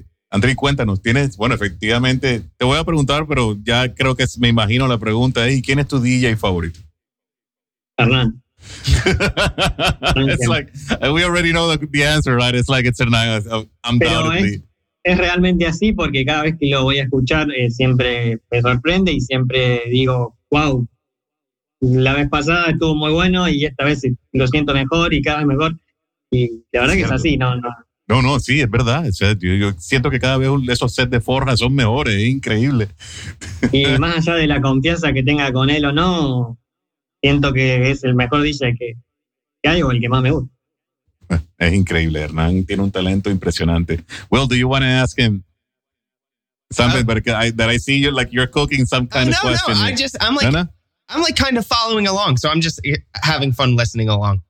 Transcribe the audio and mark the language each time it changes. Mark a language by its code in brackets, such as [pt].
[es] André, cuéntanos, tienes, bueno, efectivamente te voy a preguntar, pero ya creo que me imagino la pregunta, ¿y quién es tu DJ favorito? Hernán. [en] It's like we already know the answer, right? It's like it's a nice, undoubtedly. [es] Es realmente así, porque cada vez que lo voy a escuchar siempre me sorprende y siempre digo, wow, la vez pasada estuvo muy bueno y esta vez lo siento mejor y cada vez mejor. Y la verdad que es así, no, sí, es verdad. O sea, yo siento que cada vez esos sets de Forja son mejores, es increíble. Y más allá de la confianza que tenga con él o no, siento que es el mejor DJ que hay o el que más me gusta. Es increíble, Hernán tiene un talento impresionante. [en] Will, do you want to ask him something? I see you like you're cooking some kind of question. No, I'm like kind of following along, so I'm just having fun listening along.